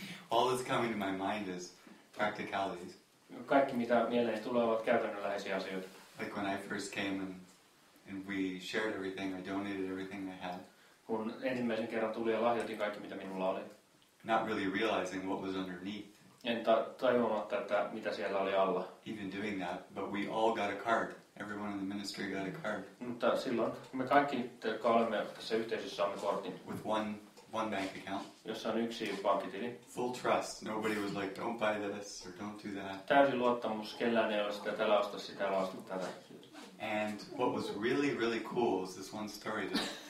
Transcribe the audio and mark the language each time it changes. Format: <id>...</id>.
<en>All that's coming to my mind is practicalities.</en> <fi>Kaikki mitä mieleen tulee ovat käytännönläheisiä asioita.</fi> <en>Like when I first came and we shared everything, I donated everything I had.</en> <fi>Kun ensimmäisen kerran tuli ja lahjoitin kaikki mitä minulla oli.</fi> <en>Not really realizing what was underneath.</en> <fi>En tajumatta, että mitä siellä oli alla.</fi> <en>Even doing that, but we all got a card. Everyone in the ministry got a card.</en> <fi>Mutta silloin me kaikki kolme tässä yhteisössä saamme kortin.</fi> <en>With one bank account.</en> <fi>Jossa on yksi pankkitili.</fi> <en>Full trust. Nobody was like, don't buy this or don't do that.</en> <fi>Täysin luottamus. Kellään ei ole sitä, että älä osta sitä, älä osta tätä.</fi> <en>And what was really, really cool is this one story that...</en>